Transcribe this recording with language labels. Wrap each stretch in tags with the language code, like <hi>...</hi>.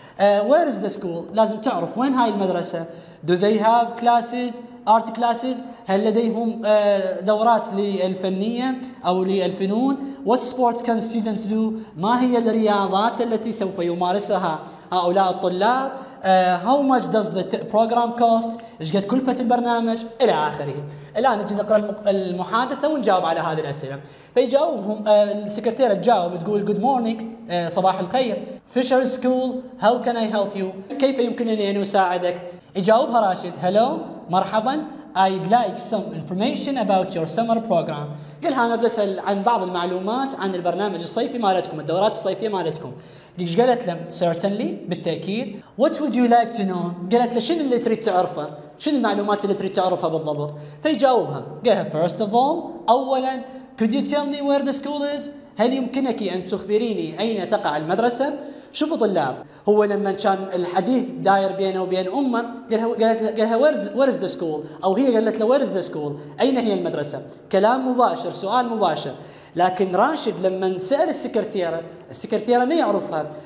<en>Where is the school؟</en> <ar>لازم تعرف وين هاي المدرسة.</ar> <en>Do they have classes؟ Art classes؟</en> <ar>هل لديهم دورات للفنية أو للفنون؟</ar> <en>What sports can students do؟</en> <ar>ما هي الرياضات التي سوف يمارسها هؤلاء الطلاب؟</ar> <en>How much does the program cost؟</en> <ar>إيش قد كلفة البرنامج؟ إلى آخره. الآن نجي نقرأ المحادثة ونجاوب على هذه الأسئلة. فيجاوبهم السكرتيرة تجاوب تقول</ar> <en>Good morning.</en> <ar>صباح الخير. Fisher School.</ar> <en>How can I help you؟</en> <ar>كيف يمكنني أن أساعدك؟ يجاوبها راشد</ar> <en>Hello.</en> <ar>مرحبا.</ar> <en>I'd like some information about your summer program.</en> <ar>قالها أنا أسأل عن بعض المعلومات عن البرنامج الصيفي مالتكم الدورات الصيفية مالتكم. إيش قالت له</ar> <en>Certainly</en> <ar>بالتأكيد.</ar> <en>What would you like to know؟</en> <ar>قالت له شنو اللي تريد تعرفه؟ شنو المعلومات اللي تريد تعرفها بالضبط؟ فيجاوبها قالها</ar> <en>First of all</en> <ar>أولا</ar> <en>Could you tell me where the school is؟</en> <ar>هل يمكنك أن تخبريني أين تقع المدرسة؟ شوفوا طلاب هو لما كان الحديث داير بينه وبين أمه قالها</ar> <en>Where is the school؟</en> <ar>أو هي قالت له Where is the school؟ أين هي المدرسة؟ كلام مباشر سؤال مباشر. لكن راشد لما سأل السكرتيرة ما يعرفها</ar>